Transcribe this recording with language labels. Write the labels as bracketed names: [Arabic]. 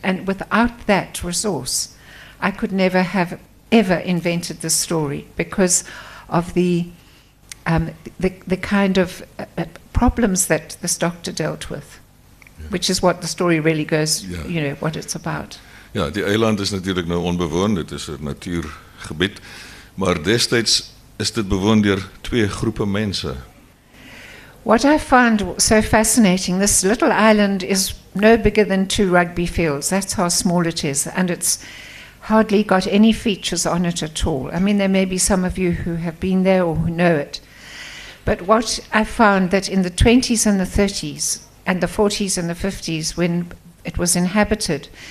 [English] And without that resource, I could never have ever invented the story because of the kind of problems that this doctor dealt with, yeah. Which is what the story really goes, yeah. You know, what it's about. [Dutch] Ja, die eiland is natuurlijk nou onbewoond, het is een natuurgebied, maar destijds is dit bewoond door twee groepen mensen. [English] What I found so fascinating, this little island is no bigger than two rugby fields, that's how small it is, and it's hardly got any features on it at all. I mean, there may be some of you who have been there or who know it, but what I found that in the 20s and the 30s and the 40s and the 50s when it was inhabited,